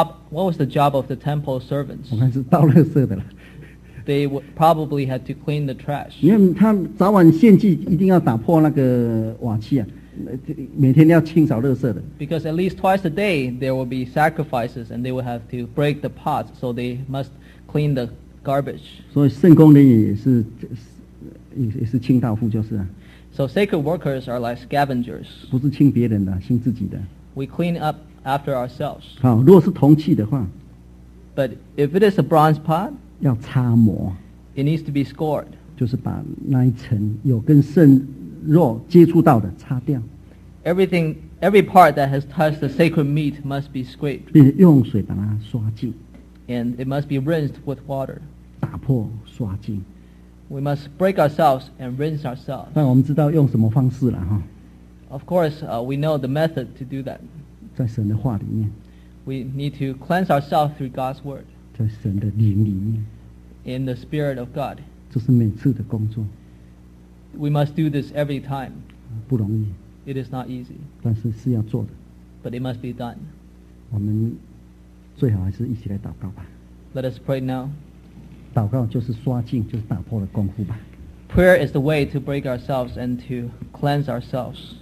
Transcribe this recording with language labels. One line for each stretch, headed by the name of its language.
English: What was the job of the temple servants?
Chinese: 我看是倒垃圾的了。
English: They probably had to clean the trash.
Chinese: 因为他早晚献祭，一定要打破那个瓦器啊，每天要清扫垃圾的。
English: Because at least twice a day there will be sacrifices, and they will have to break the pots, so they must clean the garbage.
Chinese: 所以圣工人也是清道夫，就是啊。
English: So sacred workers are like scavengers.
Chinese: 不是清别人的，清自己的。
English: We clean up after ourselves.
Chinese: 好，如果是铜器的话。
English: But if it is a bronze pot.
Chinese: 要擦磨
English: ，It needs to be scored，
Chinese: 就是把那一层有跟圣肉接触到的擦掉。
English: Every part that has touched the sacred meat must be scraped，
Chinese: 并用水把它刷净。
English: And it must be rinsed with water，
Chinese: 打破刷净。
English: We must break ourselves and rinse ourselves。
Chinese: 但我们知道用什么方式了哈
English: ？Of course, we know the method to do that。
Chinese: 在神的话里面
English: ，We need to cleanse ourselves through God's word。
Chinese: 在神的灵里面
English: ，In the spirit of God，
Chinese: 这是每次的工作。
English: We must do this every time。
Chinese: 不容易。
English: It is not easy。
Chinese: 但是是要做的。
English: But it must be done。
Chinese: 我们最好还是一起来祷告吧。
English: Let us pray now。
Chinese: 祷告就是刷净，就是打破的功夫吧。
English: Prayer is the way to break ourselves and to cleanse ourselves。